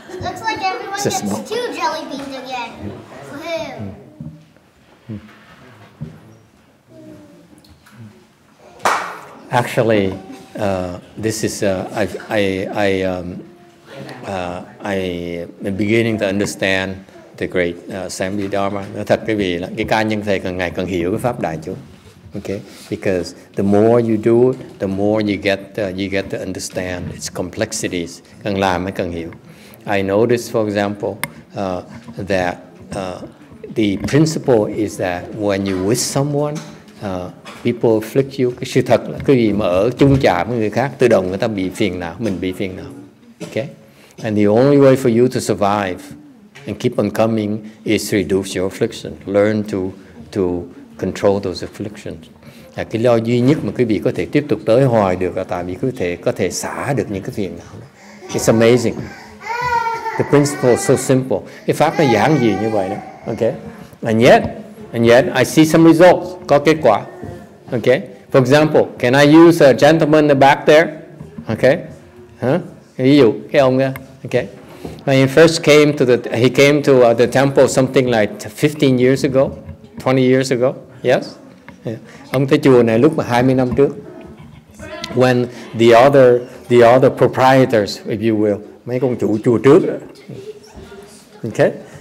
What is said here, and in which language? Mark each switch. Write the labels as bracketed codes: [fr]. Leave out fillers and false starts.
[en] Looks like everyone gets two jelly beans again. Mm. Woo-hoo. Actually, I'm beginning to understand the great Sambhi Dharma. [vi] Nói thật quý vị là cái ca nhân thầy càng ngày càng hiểu cái pháp đại chúng. [en] Okay, because the more you do it, the more you get to understand its complexities. [vi] Càng làm mới càng hiểu. [en] I noticed, for example, that the principle is that when you with someone, people afflict you. [vi] Cái sự thật là cái gì mà ở chung chạm với người khác, tự động người ta bị phiền não, mình bị phiền não. [en] Okay, and the only way for you to survive and keep on coming is to reduce your affliction. Learn to control those afflictions. [vi] Là cái lo duy nhất mà quý vị có thể tiếp tục tới hoài được là tại vì quý vị có thể xả được những cái phiền não. [en] It's amazing. The principle is so simple. [vi] Cái pháp nó giản dị như vậy đó. [en] Okay. And yet, I see some results. [vi] Có kết quả. [en] Okay. For example, can I use a gentleman in the back there? [vi] Okay. Huh? Ví dụ, cái ông đó. Okay. [en] When he first came to the temple something like 15 years ago. 20 years ago, yes? Yeah. [vi] Ông tới chùa này lúc mà 20 năm trước. [en] When the other proprietors, if you will, [vi] mấy con chủ chùa trước. Okay?